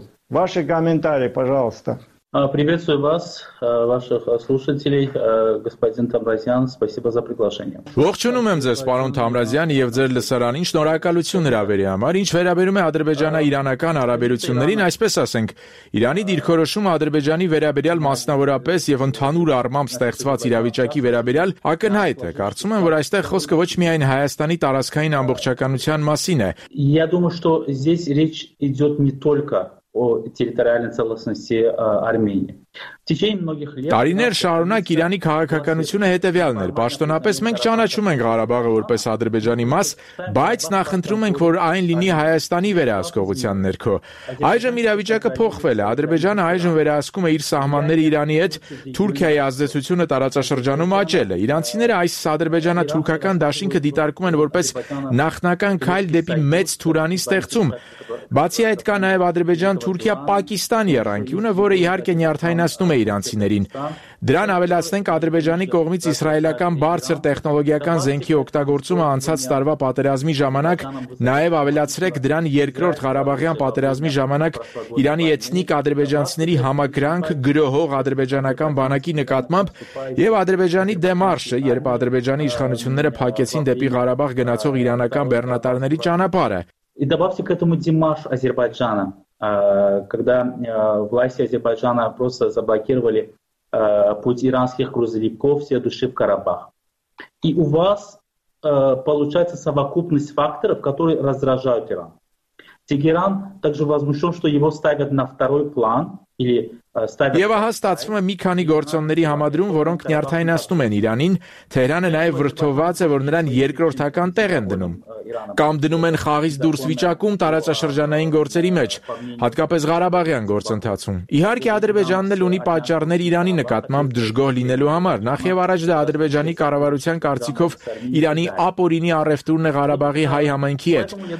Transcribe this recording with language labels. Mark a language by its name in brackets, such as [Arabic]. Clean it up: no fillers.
[Russian] Ваши комментарии, пожалуйста. Приветствую вас, ваших слушателей, господин Тамразян, спасибо за приглашение. [Armenian] Ողջունում եմ ձեզ, պարոն Թամրազյան, եւ ձեր լսարանին շնորհակալություն հրավերի համար։ Ինչ վերաբերում է Ադրբեջանա-Իրանական հարաբերություններին, այսպես ասենք, Իրանի դիրքորոշումը Ադրբեջանի վերաբերյալ մասնավորապես եւ ընդհանուր առմամբ ստեղծված իրավիճակի վերաբերյալ ակնհայտ է։ Կարծում եմ, որ այստեղ խոսքը ոչ միայն Հայաստանի տարածքային ամբողջականության մասին է։ [Russian] Я думаю, что здесь речь идёт не только о территориальной целостности Армении. [Armenian] Տարիներ շարունակ Իրանի քաղաքականությունը հետևյալն էր։ Պաշտոնապես մենք ճանաչում ենք Ղարաբաղը որպես Ադրբեջանի մաս, բայց նախընտրում ենք, որ այն լինի Հայաստանի վերահսկողության ներքո։ Այժմ իրավիճակը փոխվել է։ Ադրբեջանը այժմ վերահսկում է իր սահմանները Իրանի հետ, Թուրքիայի ազդեցությունը տարածաշրջանում աճել է։ Իրանցիները այս ադրբեջանա-թուրքական դաշինքը դիտարկում են որպես նախնական քայլ դեպի մեծ Թուրանի ստեղծում։ Բացի այդ, կա նաև Ադրբեջան-Թուրքիա-Պակիստան եռանկյունը, որը իհարկե նյարդայնացնում է իրանցիներին։ Դրան ավելացնենք Ադրբեջանի կողմից իսրայելական բարձր տեխնոլոգիական զենքի օգտագործումը անցած տարվա պատերազմի ժամանակ, նաև ավելացրեք դրան երկրորդ Ղարաբաղյան պատերազմի ժամանակ Իրանի էթնիկ ադրբեջանցիների համագրանք գրոհող ադրբեջանական բանակի նկատմամբ եւ Ադրբեջանի դեմարշը, երբ Ադրբեջանի իշխանությունները փակեցին դեպի Ղարաբաղ գնացող իրանական բեռնատարների ճանապարհը։ [Russian] И добавьте к этому демарш Азербайджана, когда власти Азербайджана просто заблокировали путь иранских грузовиков, следующих в Карабах. И у вас получается совокупность факторов, которые раздражают Иран. Тегеран также возмущен, что его ставят на второй план или [Armenian] Եվ ահա ստացվում է մի քանի գործոնների համադրում, որոնք նյարդայնացնում են Իրանին, Թեհրանը նաև վրդովված է, որ նրան երկրորդական տեղ են դնում։ Կամ դնում են խաղից դուրս վիճակում տարածաշրջանային գործերի մեջ, հատկապես Ղարաբաղյան գործընթացում։ Իհարկե Ադրբեջանն էլ ունի պատճառներ Իրանի նկատմամբ դժգոհ լինելու համար։ Նախ եւ առաջ դա Ադրբեջանի կառավարության կարծիքով Իրանի ապօրինի առևտուրն է Ղարաբաղի հայ համայնքի հետ,